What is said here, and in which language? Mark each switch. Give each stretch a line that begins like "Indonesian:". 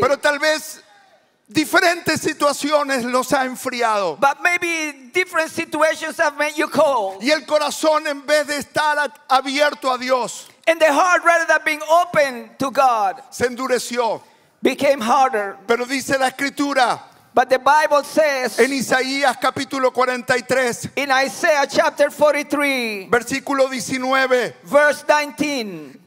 Spanish: Pero tal vez diferentes situaciones los ha enfriado.
English: But maybe different situations have made you cold.
Spanish: Y el corazón, en vez de estar abierto a Dios,
English: and the heart, rather than being open to God,
Spanish: se endureció,
English: became harder.
Spanish: Pero dice la escritura,
English: but the Bible says,
Spanish: en Isaías capítulo 43,
English: in Isaiah chapter 43,
Spanish: versículo 19,
English: verse 19,